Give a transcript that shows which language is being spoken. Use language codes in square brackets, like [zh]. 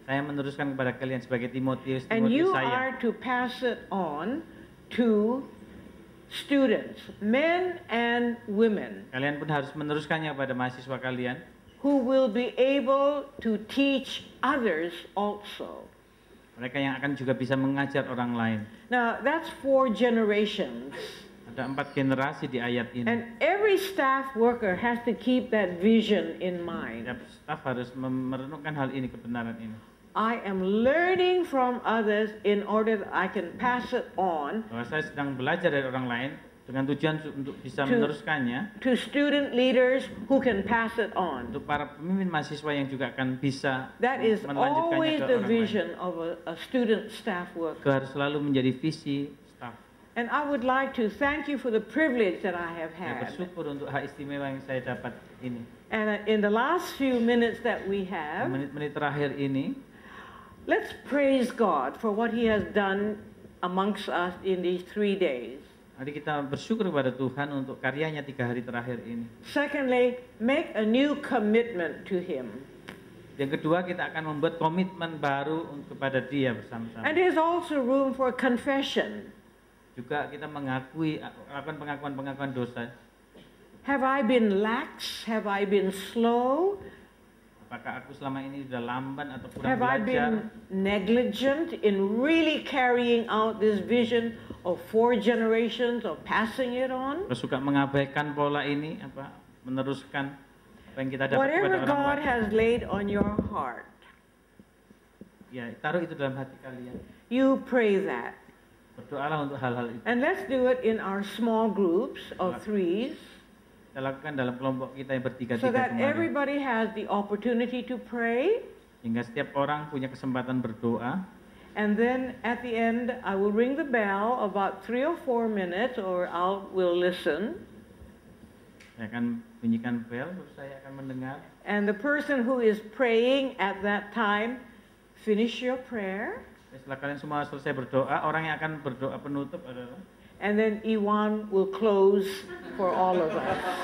[id] Saya meneruskan kepada kalian sebagai Timotius. [en] And you [id] saya [en] are to pass it on to students, men and women. [id] Kalian pun harus meneruskannya kepada mahasiswa kalian. [en] Who will be able to teach others also. [id] Mereka yang akan juga bisa mengajar orang lain. [en] Now, that's 4 generations. [id] Ada 4 generasi di ayat ini. [en] And every staff worker has to keep that vision in mind. [id] Setiap staff harus merenungkan hal ini, kebenaran ini. [en] I am learning from others in order that I can pass it on. [id] Saya sedang belajar dari orang lain dengan tujuan untuk bisa meneruskannya. [en] To student leaders who can pass it on. [id] Untuk para pemimpin mahasiswa yang juga akan bisa [en] that is [id] melanjutkannya ke [en] always [id] orang [en] the vision [id] lain [en] of a student staff worker. [id] Harus selalu menjadi visi staff. [en] And I would like to thank you for the privilege that I have had. [id] Saya bersyukur untuk hak istimewa yang saya dapat ini. [en] And in the last few minutes that we have, [id] menit-menit terakhir ini, [en] let's praise God for what He has done amongst us in these 3 days. [id] Mari kita bersyukur kepada Tuhan untuk karyanya 3 hari terakhir ini. [en] Secondly, make a new commitment to Him. [id] Yang kedua, kita akan membuat komitmen baru kepada Dia bersama-sama. [en] And there's also room for confession. [id] Juga kita mengakui, lakukan pengakuan-pengakuan dosa. [en] Have I been lax? Have I been slow? [id] Apakah aku selama ini sudah lamban atau kurang [en] have [id] belajar? [en] Have I been negligent in really carrying out this vision of 4 generations or passing it on? [id] Suka mengabaikan pola ini apa meneruskan apa yang kita dapat [en] whatever [id] kepada orang lain. [en] Whatever God has laid on your heart. [id] Ya, taruh itu dalam hati kalian. [en] You pray that. [id] Berdoalah untuk hal-hal itu. [en] And let's do it in our small groups of 3s. [id] Lakukan dalam kelompok kita yang bertiga [en] so that everybody has the opportunity to pray. [id] Sehingga setiap orang punya kesempatan berdoa. [en] And then at the end I will ring the bell about 3 or 4 minutes or I will listen. [id] Saya akan bunyikan bell terus saya akan mendengar. [en] And the person who is praying at that time finish your prayer. [id] Setelah kalian semua selesai berdoa, orang yang akan berdoa penutup adalah [en] and then Iwan will close for all of us.